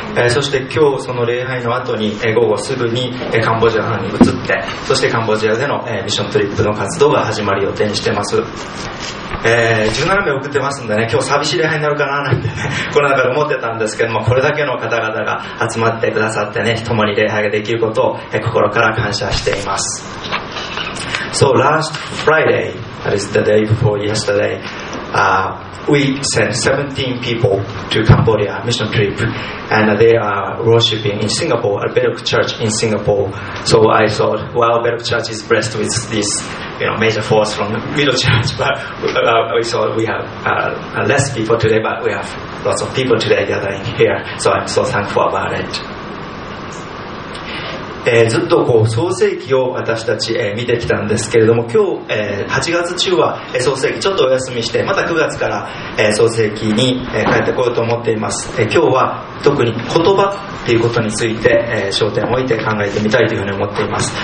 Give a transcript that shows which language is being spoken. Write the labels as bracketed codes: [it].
[ja] そして今日その礼拝の後に、午後すぐに、カンボジアに移って、そしてカンボジアでの、ミッショントリップの活動が始まる予定にしてます。 17名送ってますんでね、今日寂しい礼拝になるかななんてね、この中で思ってたんですけども、これだけの方々が集まってくださってね、共に礼拝ができることを心から感謝しています。 [en] So last Friday, that is the day before yesterday, we sent 17 people to Cambodia mission trip, and they are worshiping in Singapore, a Beduk church in Singapore. So I thought, well, Beduk church is blessed with this, you know, major force from the middle church, but we thought we have less people today, but we have lots of people today gathering here. So I'm so thankful about it. [ja] ずっとこう創世記を私たち、見てきたんですけれども、今日、8月中は、創世記ちょっとお休みして、また9月から、創世記に、帰ってこようと思っています。今日は特に言葉ということについて、焦点を置いて考えてみたいというふうに思っています。